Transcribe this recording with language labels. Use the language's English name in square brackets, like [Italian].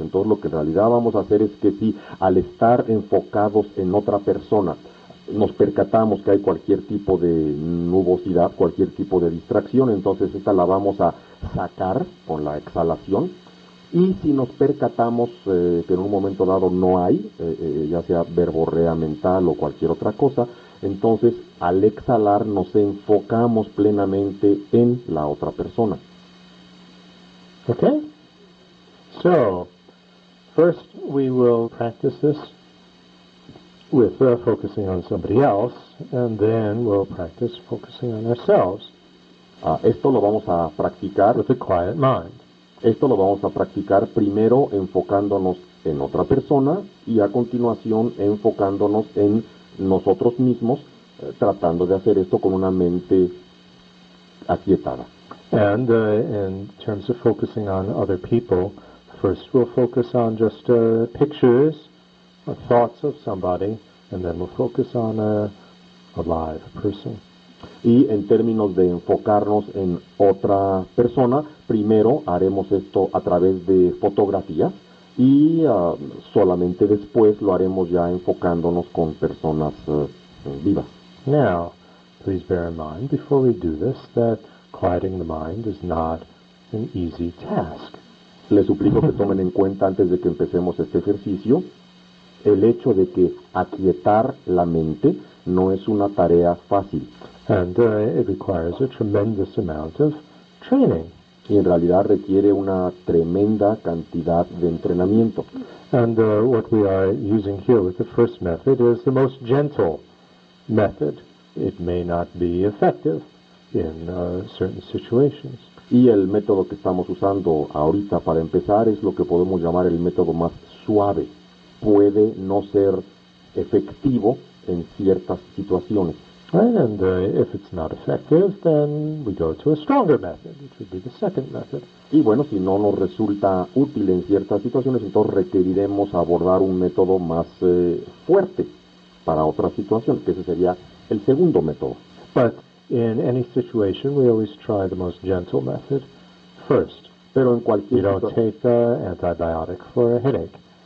[Spanish] Entonces lo que en realidad vamos a hacer es que si al estar enfocados en otra persona nos percatamos que hay cualquier tipo de nubosidad, cualquier tipo de distracción, entonces esta la vamos a sacar con la exhalación. Y si nos percatamos que en un momento dado no hay, ya sea verborrea mental o cualquier otra cosa, entonces al exhalar nos enfocamos plenamente en la otra persona. Okay? [English] So, first we will practice this with focusing on somebody else, and then we'll practice focusing on ourselves. [Spanish] Esto lo vamos a practicar [English] with a quiet mind. [Spanish] Esto lo vamos a practicar primero enfocándonos en otra persona y a continuación enfocándonos en nosotros mismos, tratando de hacer esto con una mente aquietada. [English] And in terms of focusing on other people, first we'll focus on just pictures or thoughts of somebody, and then we'll focus on a live person. [Spanish] Y en términos de enfocarnos en otra persona, primero haremos esto a través de fotografías y solamente después lo haremos ya enfocándonos con personas vivas. [English] Now, please bear in mind, before we do this, that quieting the mind is not an easy task. [Spanish] Les suplico que tomen en cuenta antes de que empecemos este ejercicio el hecho de que aquietar la mente no es una tarea fácil. [English] And it requires a tremendous amount of training. [Spanish] Y en realidad requiere una tremenda cantidad de entrenamiento. [English] And what we are using here with the first method is the most gentle method. It may not be effective in certain situations. [Spanish] Y el método que estamos usando ahorita para empezar es lo que podemos llamar el método más suave. Puede no ser efectivo en ciertas situaciones. [English] Right, and if it's not effective, then we go to a stronger method, which would be the second method. [Spanish] Y bueno, si no nos resulta útil en ciertas situaciones, entonces requeriremos abordar un método más fuerte para otra situación, que ese sería el segundo método. [English] But in any situation, we always try the most gentle method first. [Spanish] Pero en cualquier situación... [English] We don't take an antibiotic for a headache.